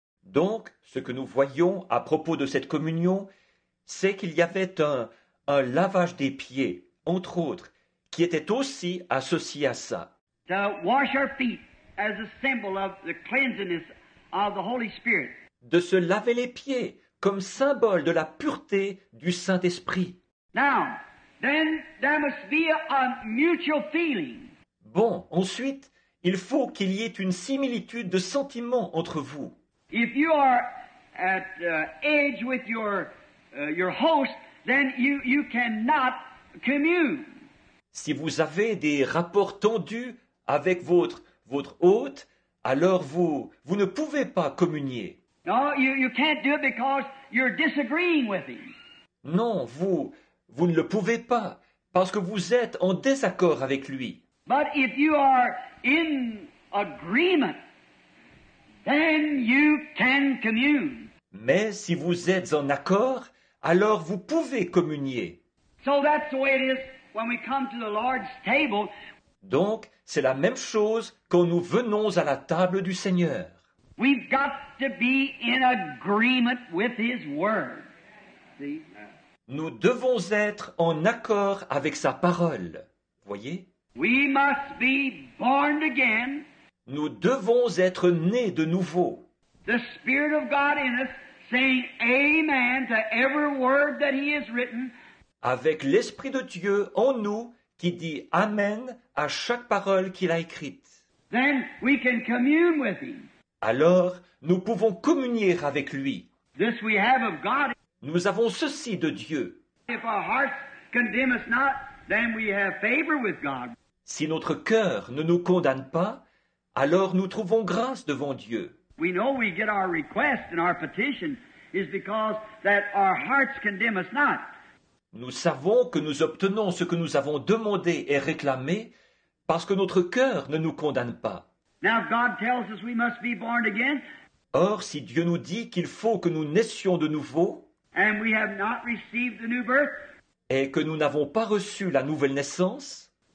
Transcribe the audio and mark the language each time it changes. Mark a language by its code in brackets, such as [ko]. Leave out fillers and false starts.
[fr] Donc, ce que nous voyons à propos de cette communion, c'est qu'il y avait un lavage des pieds, entre autres, qui était aussi associé à ça. [en] To wash our feet as a symbol of the cleanliness of the Holy Spirit. [fr] De se laver les pieds comme symbole de la pureté du Saint-Esprit. [en] Now, then there must be a mutual feeling. [fr] Bon, ensuite, il faut qu'il y ait une similitude de sentiments entre vous. [en] If you are at edge with your host, then you cannot commune. [fr] Si vous avez des rapports tendus avec votre hôte, alors vous ne pouvez pas communier. [en] No, you can't do it because you're disagreeing with him. [fr] Non, vous ne le pouvez pas parce que vous êtes en désaccord avec lui. [en] But if you are in agreement, then you can commune. [fr] Mais si vous êtes en accord, alors vous pouvez communier. [en] So that's the way it is when we come to the Lord's table. [fr] Donc, c'est la même chose quand nous venons à la table du Seigneur. [en] We've got to be in agreement with his word. See? [fr] Nous devons être en accord avec sa parole. Voyez? [en] We must be born again. [fr] Nous devons être nés de nouveau. [en] The Spirit of God in us saying amen to every word that he has written. [fr] Avec l'Esprit de Dieu en nous qui dit amen à chaque parole qu'il a écrite. [en] Then we can commune with him. [fr] Alors, nous pouvons communier avec lui. [en] This we have of God. [fr] Nous avons ceci de Dieu. [en] If our hearts condemn us not, then we have favor with God. [fr] Si notre cœur ne nous condamne pas, alors nous trouvons grâce devant Dieu. [en] We know we get our request and our petition is because that our hearts condemn us not. [fr] Nous savons que nous obtenons ce que nous avons demandé et réclamé parce que notre cœur ne nous condamne pas. [en] Now God tells us we must be born again. [fr] Or, si Dieu nous dit qu'il faut que nous naissions de nouveau, [en] and we have not received the new birth, [fr] et que nous n'avons pas reçu la nouvelle naissance,